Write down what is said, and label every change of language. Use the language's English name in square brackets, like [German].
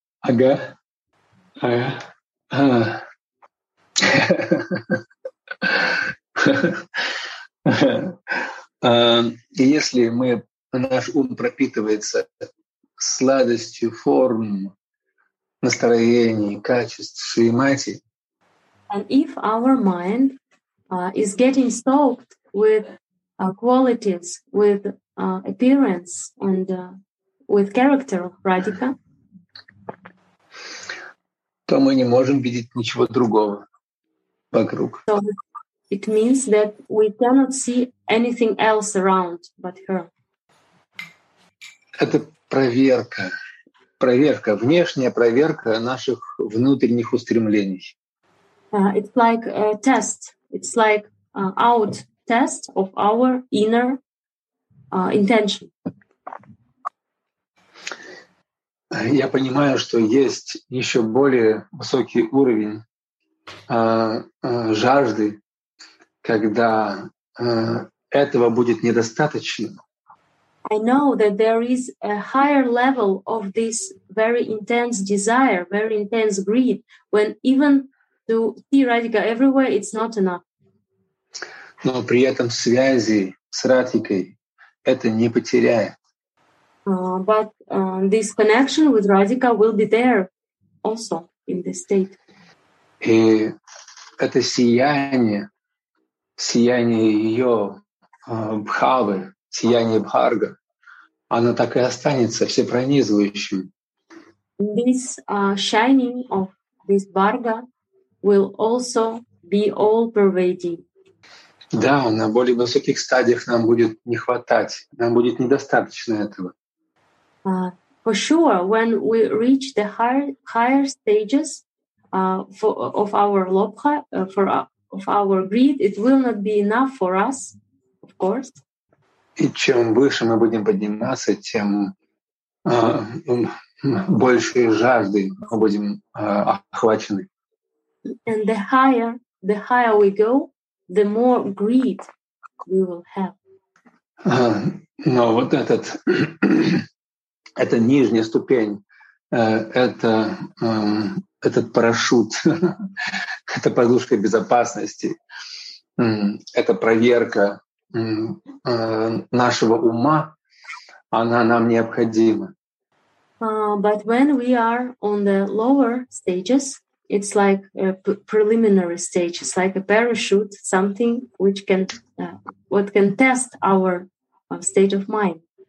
[Russian] Ага. И если мы наш ум пропитывается сладостью форм, настроений, качеств Шри Мати, [English] and if our mind is getting soaked with qualities, with appearance and with character of Radhika, [Russian] то мы не можем видеть ничего другого вокруг. [English] So it means that we cannot see anything else around but her. [Russian] Это проверка. Проверка, внешняя проверка наших внутренних устремлений. [English] It's like a test. It's like out test of our inner intention. [Russian] Я понимаю, что есть еще более высокий уровень жажды, когда этого будет недостаточно. [English] I know that there is a higher level of this very intense desire, very intense greed, when even to see Radhika everywhere, it's not enough. [Russian] Но при этом связи с Радхикой это не потеряет. [English] But this connection with Radhika will be there also in this state. [Russian] И это сияние ее бхавы, сияние бхарга, оно так и останется всепронизывающим. [English] This shining of this bharga will also be all-pervading. [Russian] Да, на более высоких стадиях нам будет не хватать, нам будет недостаточно этого. [English] For sure, when we reach the higher stages of our greed, it will not be enough for us, of course. [Russian] И чем выше мы будем подниматься, тем большей жаждой мы будем охвачены. [English] And the higher we go, the more greed we will have. [Russian] Но вот этот это нижняя ступень, этот парашют, это подушка безопасности, это проверка нашего ума, она нам необходима. [English] But when we are on the lower stages, it's like a preliminary stage, it's like a parachute, something which can what can test our state of mind.